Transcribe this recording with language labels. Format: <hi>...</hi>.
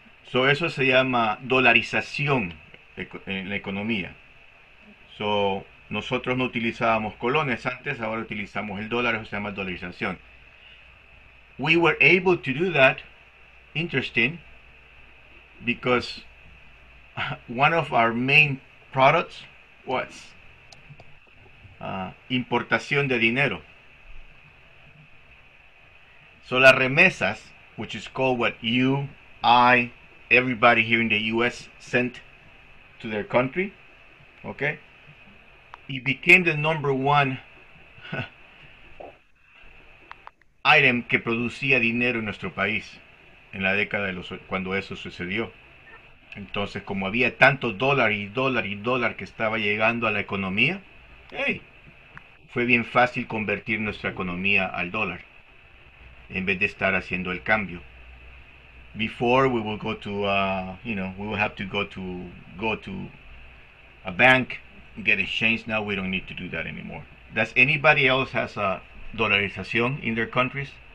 <es>So eso se llama dolarización en la economía. So nosotros no utilizábamos colones antes, ahora utilizamos el dólar, eso se llama dolarización.</es> <en>We were able to do that, interesting, because one of our main products was</en> <es>importación de dinero.</es> <en>So</en> <es>las remesas,</es> <en>which is called what you, I, everybody here in the US sent to their country, okay? It became the number one item</en> <es>que producía dinero en nuestro país en la década de los cuando eso sucedió. Entonces, como había tanto dólar y dólar y dólar que estaba llegando a la economía, hey, fue bien fácil convertir nuestra economía al dólar en vez de estar haciendo el cambio.</es> <en>Before we would go to we would have to go to a bank, get exchange. Now we don't need to do that anymore. Does anybody else has a dolarización in their countries?</en>